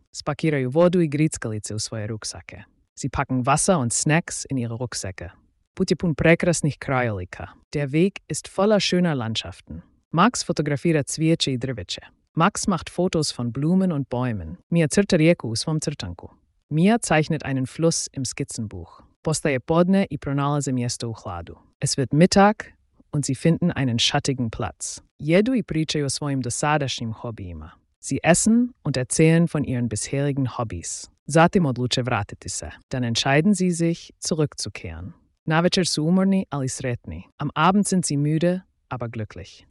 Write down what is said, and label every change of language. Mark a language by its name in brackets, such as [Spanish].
[Croatian] Spakiraju vodu i grickalice u svoje ruksake. [German] Sie packen Wasser und Snacks in ihre Rucksäcke. [Croatian] Put je pun prekrasnih krajolika. [German] Der Weg ist voller schöner Landschaften. [Croatian] Max fotografira cvijeće i drveće. [German] Max macht Fotos von Blumen und Bäumen. [Croatian] Mia crta rijeku u svom crtanku. [German] Mia zeichnet einen Fluss im Skizzenbuch. [Croatian] Postaje podne i pronalaze mjesto u hladu. [German] Es wird Mittag und sie finden einen schattigen Platz. [Croatian] Jedu i pričaju o svojim dosadašnjim hobijima. [German] Sie essen und erzählen von ihren bisherigen Hobbys. [Croatian] Zatim odluče vratiti se. [German] Dann entscheiden sie sich, zurückzukehren. [Croatian] Navečer su umorni, ali sretni. [German] Am Abend sind sie müde, aber glücklich.